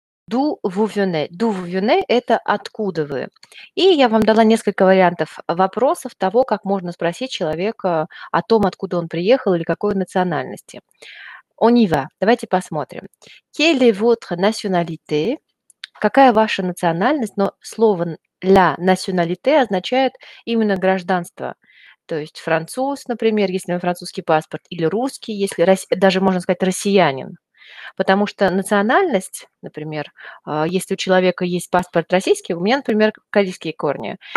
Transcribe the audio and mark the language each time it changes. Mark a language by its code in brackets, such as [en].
[fr] D'où vous venez – это «откуда вы». [ru] И я вам дала несколько вариантов вопросов того, как можно спросить человека о том, откуда он приехал или какой национальности. [fr] On y va. Давайте посмотрим. Quelle est votre nationalité? [ru] Какая ваша национальность? Но слово «la nationalité» означает именно гражданство. То есть француз, например, если у него французский паспорт, или русский, если даже можно сказать россиянин. Потому что национальность, например, если у человека есть паспорт российский, у меня, например, корейские корни.